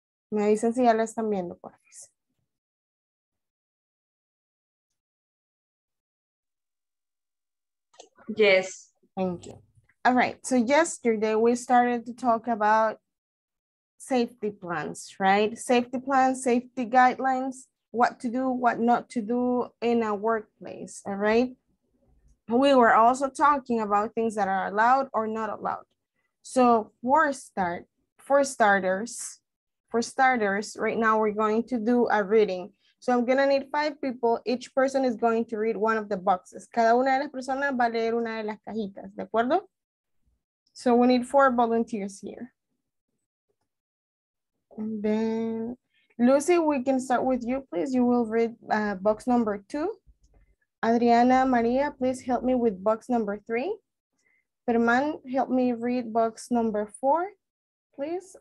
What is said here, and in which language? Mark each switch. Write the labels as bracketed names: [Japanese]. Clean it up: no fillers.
[Spanish] Me dicen si ya la están viendo, por favor. [English] Yes. Thank you. All right. So yesterday we started to talk about safety plans, right? Safety plans, safety guidelines, what to do, what not to do in a workplace. All right. We were also talking about things that are allowed or not allowed. So for starters, right now we're going to do a reading. So I'm gonna need 5 people. Each person is going to read one of the boxes. [Spanish] Cada una de las personas va a leer una de las cajitas, ¿de acuerdo? [English] So we need 4 volunteers here. And then, Lucy, we can start with you, please. You will read box number 2. Adriana, Maria, please help me with box number 3. Herman, help me read box number 4, please.